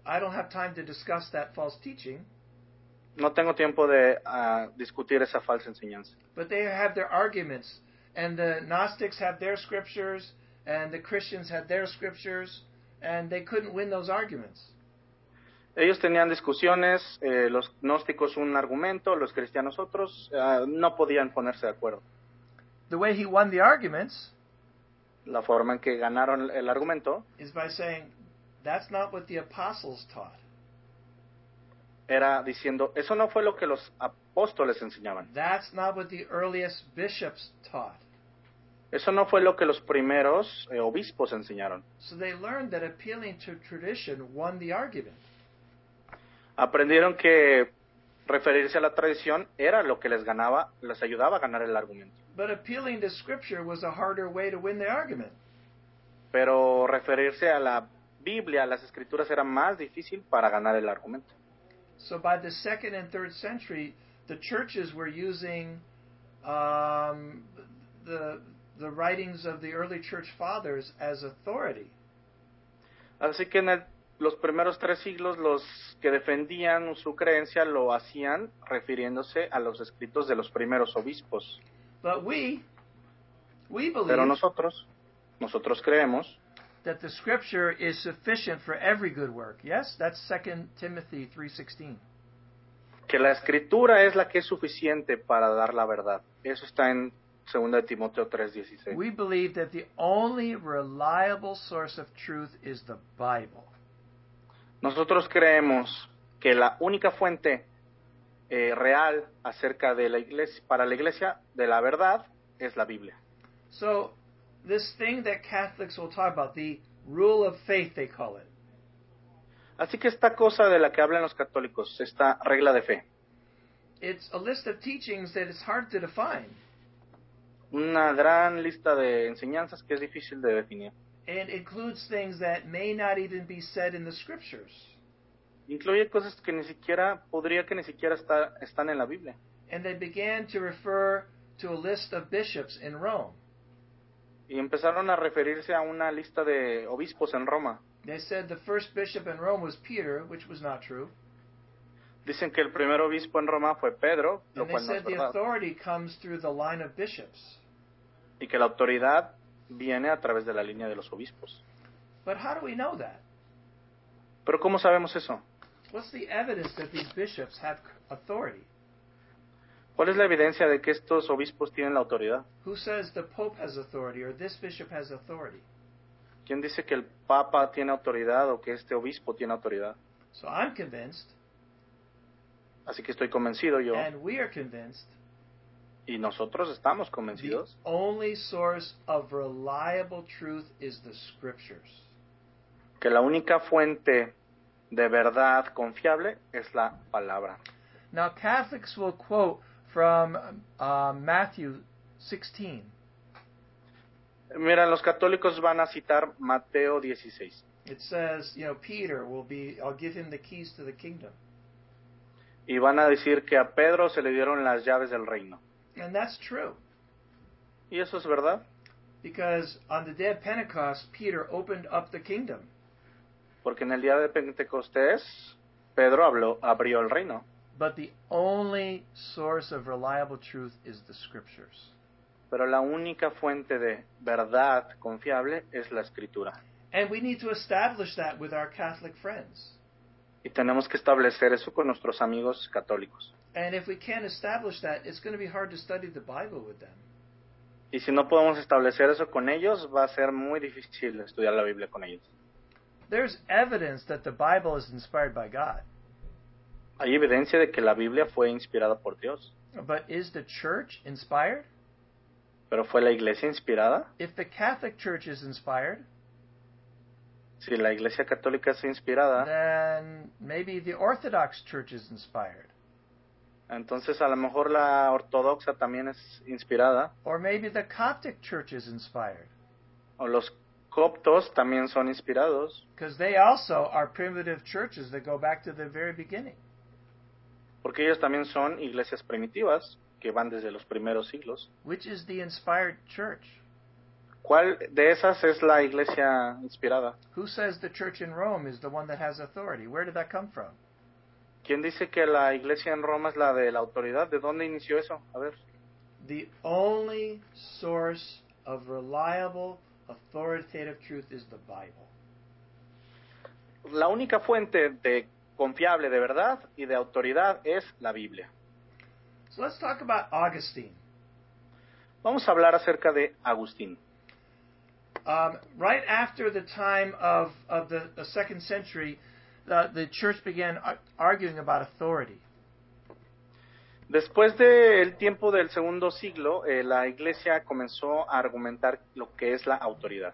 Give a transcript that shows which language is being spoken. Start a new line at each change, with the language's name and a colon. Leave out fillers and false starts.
English: I don't have time to discuss that false teaching.
Spanish: No tengo tiempo de discutir esa falsa enseñanza.
English: But they have their arguments, and the Gnostics had their scriptures, and the Christians had their scriptures, and they couldn't win those arguments.
Spanish: Ellos tenían discusiones, los gnósticos un argumento, los cristianos otros, no podían ponerse de acuerdo.
English: The way he won the arguments,
Spanish: la forma en que ganaron el argumento,
English: is by saying, that's not what the apostles taught.
Spanish: Era diciendo, eso no fue lo que los apóstoles enseñaban.
English: That's not what the earliest bishops taught.
Spanish: Eso no fue lo que los primeros obispos enseñaron.
English: So they learned that appealing to tradition won the argument.
Spanish: Aprendieron que referirse a la tradición era lo que les ganaba, les ayudaba a ganar el argumento.
English: But appealing to scripture was a harder way to win the argument.
Spanish: Pero referirse a la Biblia, a las escrituras, era más difícil para ganar el argumento.
English: So by the second and third century, the churches were using the writings of the early church fathers as authority.
Spanish: Así que en los primeros tres siglos, los que defendían su creencia lo hacían refiriéndose a los escritos de los primeros obispos.
English: But we believe,
Spanish: pero nosotros creemos,
English: that the scripture is sufficient for every good work. Yes, that's 2 Timothy 3:16.
Spanish: Que la escritura es la que es suficiente para dar la verdad. Eso está en 2 Timoteo 3:16.
English: We believe that the only reliable source of truth is the Bible.
Spanish: Nosotros creemos que la única fuente real acerca de la iglesia, para la iglesia, de la verdad, es la Biblia.
English: So, this thing that Catholics will talk about, the rule of faith, they call it.
Spanish: Así que esta cosa de la que hablan los católicos, esta regla de fe.
English: It's a list of teachings that is hard to define.
Spanish: Una gran lista de enseñanzas que es difícil de definir.
English: And includes things that may not even be said in the scriptures.
Spanish: Incluye cosas que ni siquiera, podría que ni siquiera están en la Biblia.
English: And they began to refer to a list of bishops in Rome.
Spanish: Y empezaron a referirse a una lista de obispos en Roma.
English: They said the first bishop in Rome was Peter, which was not true.
Spanish: Dicen que el primer obispo en Roma fue Pedro, lo cual no es verdad.
English: And they said the authority comes through the line of bishops.
Spanish: Y que la autoridad viene a través de la línea de los obispos.
English: But how do we know that?
Spanish: ¿Pero cómo sabemos eso?
English: What's the evidence that these bishops have authority?
Spanish: ¿Cuál es la evidencia de que estos obispos tienen la autoridad?
English: Who says the Pope has authority or this bishop has authority?
Spanish: ¿Quién dice que el Papa tiene autoridad o que este obispo tiene autoridad?
English: So I'm convinced.
Spanish: Así que estoy convencido yo.
English: And we are convinced.
Spanish: Y nosotros estamos convencidos.
English: The only source of reliable truth is the scriptures.
Spanish: Que la única fuente de verdad confiable es la palabra.
English: Now Catholics will quote from Matthew 16.
Spanish: Mira, los católicos van a citar Mateo 16.
English: It says, you know, Peter will be, I'll give him the keys to the kingdom.
Spanish: Y van a decir que a Pedro se le dieron las llaves del reino.
English: And that's true.
Spanish: Y eso es verdad.
English: Because on the day of Pentecost, Peter opened up the kingdom.
Spanish: Porque en el día de Pentecostés, Pedro abrió el reino.
English: But the only source of reliable truth is the scriptures.
Spanish: Pero la única fuente de verdad confiable es la escritura.
English: And we need to establish that with our Catholic friends.
Spanish: Y tenemos que establecer eso con nuestros amigos católicos.
English: And if we can't establish that, it's going to be hard to study the Bible with them.
Spanish: Y si no podemos establecer eso con ellos, va a ser muy difícil estudiar la Biblia con ellos.
English: There's evidence that the Bible is inspired by God.
Spanish: Hay evidencia de que la Biblia fue inspirada por Dios.
English: But is the church inspired?
Spanish: ¿Pero fue la iglesia inspirada?
English: If the Catholic Church is inspired,
Spanish: si la iglesia católica es inspirada,
English: then maybe the Orthodox Church is inspired.
Spanish: Entonces, a lo mejor la ortodoxa también es inspirada.
English: Or maybe the Coptic Church is inspired.
Spanish: O los coptos también son inspirados.
English: Because they also are primitive churches that go back to the very beginning.
Spanish: Porque ellos también son iglesias primitivas que van desde los primeros siglos.
English: Which is the inspired church?
Spanish: ¿Cuál de esas es la iglesia inspirada?
English: Who says the church in Rome is the one that has authority? Where did that come from?
Spanish: ¿Quién dice que la iglesia en Roma es la de la autoridad? ¿De dónde inició eso? A ver.
English: The only source of reliable, authoritative truth is the Bible.
Spanish: La única fuente de confiable de verdad y de autoridad es la Biblia.
English: So let's talk about Augustine.
Spanish: Vamos a hablar acerca de Agustín.
English: Right after the time of the second century, the church began arguing about authority.
Spanish: Después del tiempo del segundo siglo, la iglesia comenzó a argumentar lo que es la autoridad.